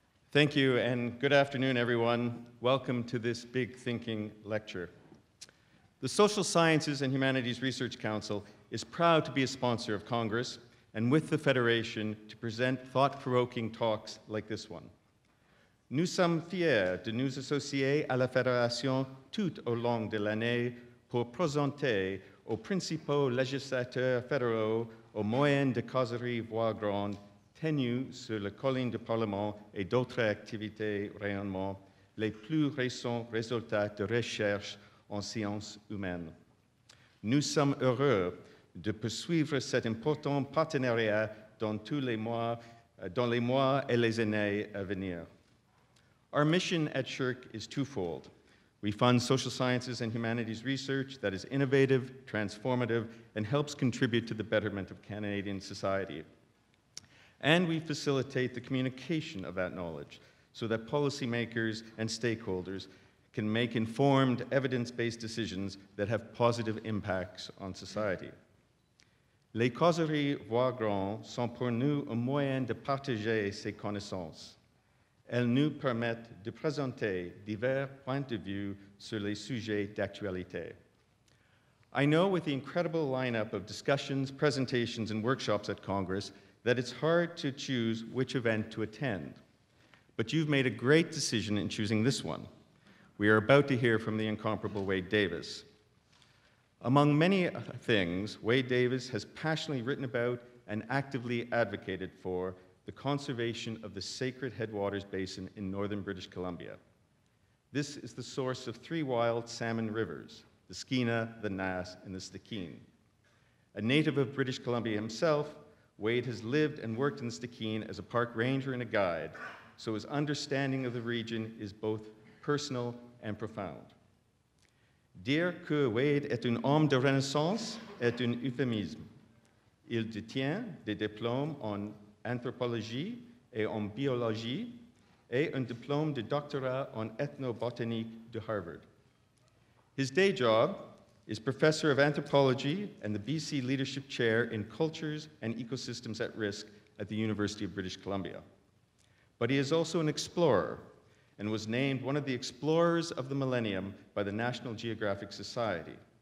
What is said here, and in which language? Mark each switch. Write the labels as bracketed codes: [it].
[en] Thank you, and good afternoon, everyone. Welcome to this Big Thinking Lecture. The Social Sciences and Humanities Research Council is proud to be a sponsor of Congress and with the Federation to present thought-provoking talks like this one. [fr] Nous sommes fiers de nous associer à la Fédération tout au long de l'année pour présenter aux principaux législateurs fédéraux au moyen de Causerie Voir grande tenues sur la colline du Parlement et d'autres activités rayonnement, les plus récents résultats de recherche en sciences humaines. Nous sommes heureux de poursuivre cet important partenariat dans tous les mois, et les années à venir. [en] Our mission at SHRC is twofold. We fund social sciences and humanities research that is innovative, transformative, and helps contribute to the betterment of Canadian society. And we facilitate the communication of that knowledge so that policymakers and stakeholders can make informed, evidence-based decisions that have positive impacts on society. [fr] Les causeries voir grand sont pour nous un moyen de partager ces connaissances. Elles nous permettent de présenter divers points de vue sur les sujets d'actualité. [en] I know with the incredible lineup of discussions, presentations, and workshops at Congress, that it's hard to choose which event to attend. But you've made a great decision in choosing this one. We are about to hear from the incomparable Wade Davis. Among many things, Wade Davis has passionately written about and actively advocated for the conservation of the Sacred Headwaters Basin in northern British Columbia. This is the source of three wild salmon rivers, the Skeena, the Nass, and the Stikine. A native of British Columbia himself, Wade has lived and worked in Stikine as a park ranger and a guide, so his understanding of the region is both personal and profound. [fr] Dire que Wade est un homme de Renaissance est un euphémisme. Il détient des diplômes en anthropologie et en biologie et un diplôme de doctorat en ethnobotanique de Harvard. [en] His day job is professor of anthropology and the BC leadership chair in cultures and ecosystems at risk at the University of British Columbia. But he is also an explorer and was named one of the explorers of the millennium by the National Geographic Society.